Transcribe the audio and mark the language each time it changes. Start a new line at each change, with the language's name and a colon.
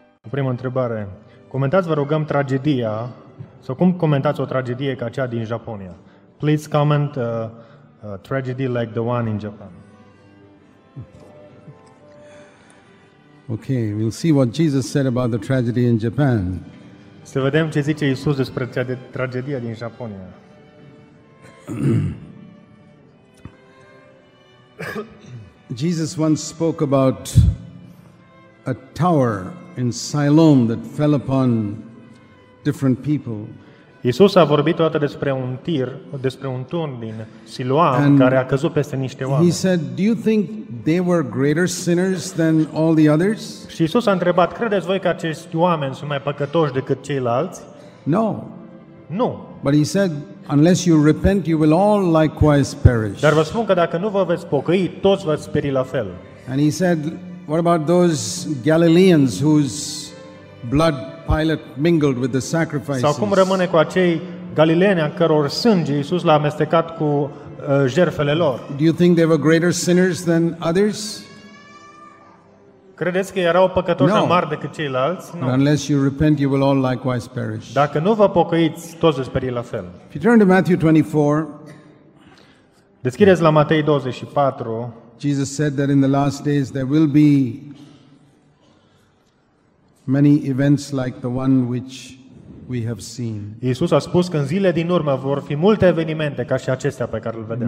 Romanian: Prima întrebare. Comentați, vă rugăm, tragedia, sau cum comentați o tragedie ca cea din Japonia?
English: Please comment a tragedy like the one in Japan. Okay, we'll see what Jesus said about the tragedy in Japan.
Romanian: Să vedem ce zice Iisus despre tragedia din Japonia.
English: Jesus once spoke about a tower in Siloam that fell upon different people.
Romanian: Iisus a vorbit odată despre un tir, despre un turn din Siloam care a căzut peste niște oameni.
English: He said, "Do you think they were greater sinners than all the others?"
Romanian: Și Iisus a întrebat, "Credeți voi că acești oameni sunt mai păcătoși decât ceilalți?"
English: No.
Romanian: Nu.
English: But he said, "Unless you repent, you will all likewise perish."
Romanian: Dar vă spun că dacă nu vă veți pocăi, toți veți pieri la fel.
English: And he said, "What about those Galileans whose blood Pilate mingled with the sacrifices?"
Romanian: Sau cum rămâne cu acei galileeni a căror sânge Iisus l-a amestecat cu jertfele lor?
English: Do you think they were greater sinners than others?
Romanian: Credeți că erau păcătoși mai mari decât ceilalți?
English: No. Unless you repent, you will all likewise perish.
Romanian: Dacă nu vă pocăiți, toți veți pieri la fel.
English: If you turn to Matthew 24,
Romanian: deschideți la Matei 24.
English: Jesus said that in the last days there will be many events like the one which we have seen.
Romanian: Iisus a spus că în zile din urmă vor fi multe evenimente ca și acestea pe care le vedem.